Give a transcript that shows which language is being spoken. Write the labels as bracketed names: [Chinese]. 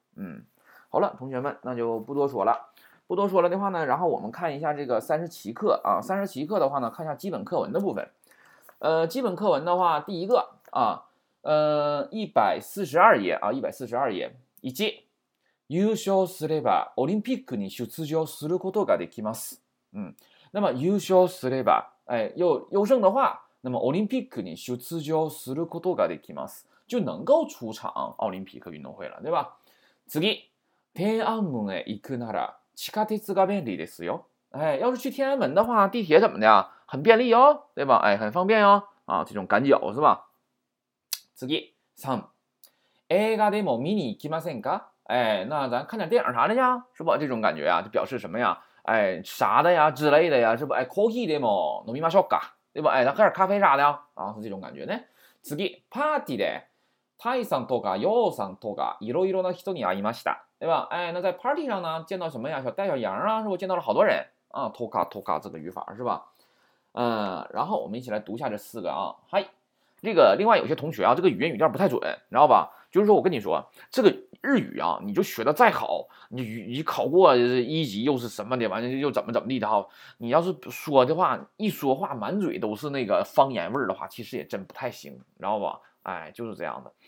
[Chinese] 嗯，好了，同学们，那就不多说了。不多说了的话呢，然后我们看一下这个37课啊。 37课的话呢，看一下基本课文的部分。基本课文的话，第一个啊，142页啊，142页，以及。 [Japanese] 優勝すればオリンピックに出場することができます。 [Chinese] 嗯，那么 [Japanese] 優勝すれば， [Chinese] 哎，优胜的话，那么 [Japanese] オリンピックに出場することができます。 [Chinese] 就能够出场奥林匹克运动会了，对吧？ [Japanese] 次，天安门へ行くなら地下鉄が便利ですよ。 [Chinese] 哎，要是去天安门的话，地铁怎么的啊？很便利哟，对吧？哎，很方便哟。啊，这种赶脚是吧？ [Japanese] 次，三，映画でも見に行きませんか？ [Chinese] 哎，那咱看点电影啥的呀，是不？这种感觉呀，就表示什么呀？哎，啥的呀之类的呀，是不？哎，coffee 的么？ [Japanese] 飲みましょうか， [Chinese] 对吧？哎，咱喝点咖啡啥的呀？啊，是这种感觉呢。 [Japanese] 次，パーティーで、タイさんとかヨウさんとかいろいろな人に会いました，对吧？ [Chinese] 哎，那在 party 上呢，见到什么呀？小戴、小杨啊，是不？见到了好多人啊。とか、とか这个语法是吧？然后我们一起来读一下这四个啊。嗨，这个另外有些同学啊，这个语音语调不太准，你知道吧？就是说我跟你说这个。日语啊，你就学的再好，你考过一级又是什么的，完了又怎么地的哈，你要是说的话，一说话满嘴都是那个方言味儿的话，其实也真不太行，知道吧？哎，就是这样的。